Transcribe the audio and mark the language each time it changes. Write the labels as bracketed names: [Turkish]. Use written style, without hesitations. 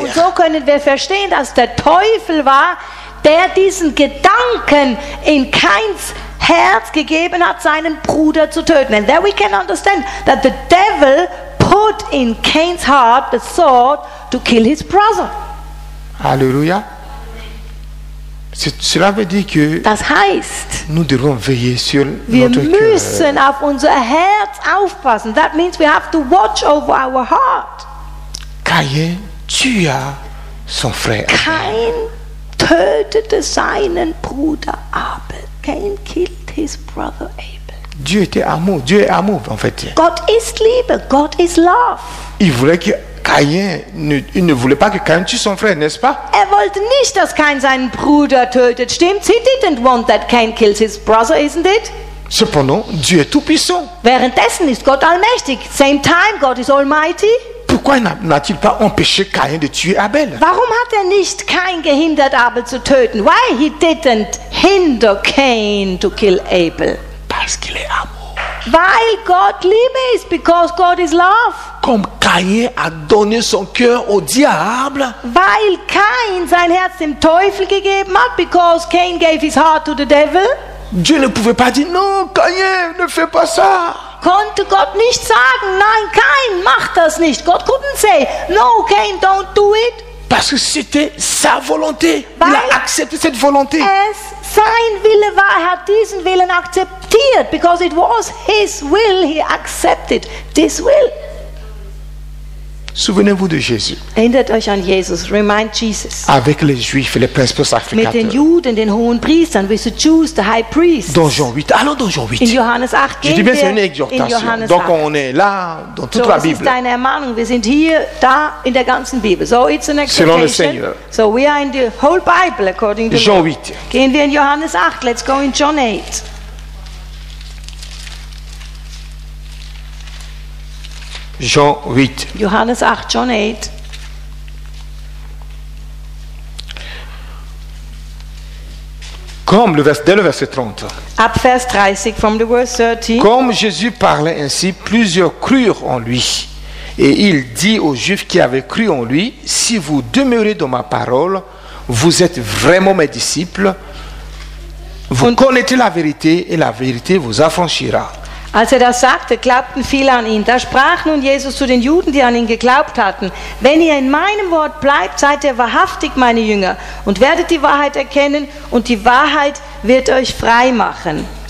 [German] Und so können wir verstehen, dass der Teufel war, der diesen Gedanken in Kains Herz gegeben hat, seinen Bruder zu töten. [English] And there we can understand that the devil put in Cain's heart the thought to kill his brother. [French] Alléluia. Cela veut dire que [German] das heißt, [French] nous devons veiller sur [German] wir [French] notre [German] müssen auf unser Herz aufpassen. [English] That means we have to watch over our heart. [French] Caïn tua son frère. [German] Cain tötete seinen Bruder Abel. [English] Cain killed his brother Abel. [French] Dieu était amour. Dieu est amour en fait. [English] God is Liebe. God is love. [French] Il voulait que Caïn ne voulait pas que Caïn tue son frère, n'est-ce pas? [German] Er wollte nicht, dass Cain seinen Bruder tötet. Stimmt's? [English] He didn't want that Cain kills his brother, isn't it? [French] Cependant, Dieu est tout puissant. [German] Währenddessen ist Gott allmächtig. [English] Same time, God is almighty. [French] Pourquoi n'a-t-il pas empêché Caïn de tuer Abel? [German] Warum hat nicht Cain gehindert Abel zu töten? [English] Why he didn't hinder Cain to kill Abel? [French] Parce qu'il est amour. [German] Weil Gott Liebe ist, [English] because God is love. [French] Comme Caïn a donné son cœur au diable. [German] Weil Cain sein Herz dem Teufel gegeben hat, [English] because Cain gave his heart to the devil. [French] Dieu ne pouvait pas dire non, Caïn, ne fais pas ça. [German] Konnte Gott nicht sagen, nein, Cain, mach das nicht. [English] God couldn't say, no, Cain, don't do it. [French] Parce que c'était sa volonté. Il a accepté cette volonté. [German] Es sein Wille war, er hat diesen Willen akzeptiert. [English] Because it was his will, he accepted this will. [French] Souvenez-vous de Jésus. [German] Erinnert euch an Jesus. [English] Remind Jesus. [French] Avec les Juifs, les principaux sacrificateurs. [German] Mit den Juden, den hohen Priestern, [English] with the Jews, the high priests. [French] Dans Jean 8. Allons dans Jean 8. [German] In Johannes 8. [French] Je dis bien, c'est une exhortation. Donc on est là dans toute la Bible. [German] So es ist eine Ermahnung. Wir sind hier, da in der ganzen Bibel. [English] So it's an exhortation. [French] Selon le Seigneur. [English] So we are in the whole Bible according to [French] Jean 8. [German] Gehen wir in Johannes 8. [English] Let's go in John 8. [French] Jean 8. [German] Johannes 8, John 8. [French] Comme dès le verset 30. [German] Ab Vers 30, [English] from the verse 30. [French] Comme Jésus parlait ainsi, plusieurs crurent en lui. Et il dit aux Juifs qui avaient cru en lui, si vous demeurez dans ma parole, vous êtes vraiment mes disciples. Vous connaîtrez la vérité et la vérité vous affranchira. [German] Als er das sagte, glaubten viele an ihn. Da sprach nun Jesus zu den Juden, die an ihn geglaubt hatten, wenn ihr in meinem Wort bleibt, seid ihr wahrhaftig meine Jünger und werdet die Wahrheit erkennen und die Wahrheit wird euch frei machen.